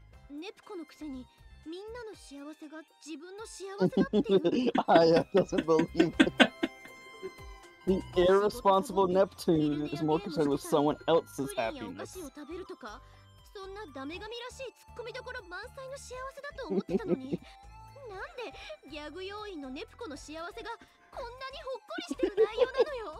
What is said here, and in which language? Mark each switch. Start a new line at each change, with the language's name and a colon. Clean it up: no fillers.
Japanese: ネプコのくせにみんなの幸せが自分の幸せだっていう。
English: I doesn't believe it. The irresponsible Neptune is more concerned with someone else's happiness.
Japanese: お菓子を食べるとか、そんなダメ神らしい突っ込みどころ満載の幸せだと思ってたのに。なんでギャグ要員のネプコの幸せがこんなにほっこりしてる内容なのよ。